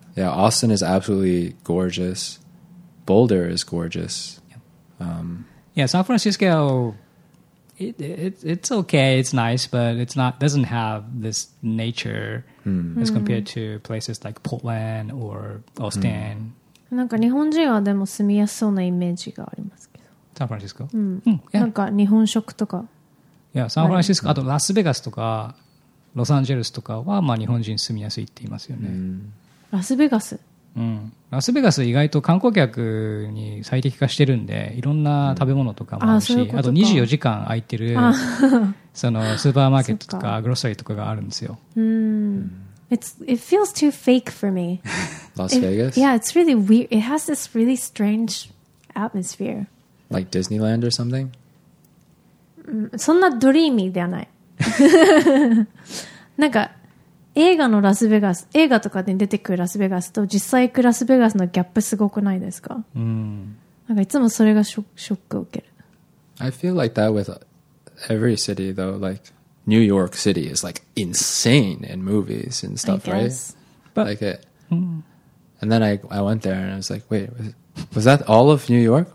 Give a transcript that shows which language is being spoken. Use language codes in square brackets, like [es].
[en] Yeah, Austin is absolutely gorgeous. Boulder is gorgeous. Yeah, San Francisco, it's okay, it's nice, but it's not doesn't have this nature as compared to places like Portland or Austin. [ja] なんか日本人はでも住みやすそうなイメージがありますけど。サンフランシスコ？なんか日本食とか。いや、サンフランシスコ、あとラスベガスとかロサンゼルスとかは、まあ、日本人住みやすいって言いますよね。ラスベガス、ラスベガス意外と観光客に最適化してるんで、いろんな食べ物とかもあるし、あと24時間空いてるそのスーパーマーケットとかグロッサリーとかがあるんですよ。 [en] It feels too fake for me. Las Vegas? Yeah, it's really weird. It has this really strange atmosphere. Like Disneyland or something? [ja] そんなドリーミーではない。なんか映画のラスベガス、映画とかで出てくるラスベガスと実際行くラスベガスのギャップすごくないですか？なんかいつもそれがショックを受ける。 [en] I feel like that with every city though. Like New York City is like insane in movies and stuff, right? But, like it. And then I went there and I was like, wait, was that all of New York?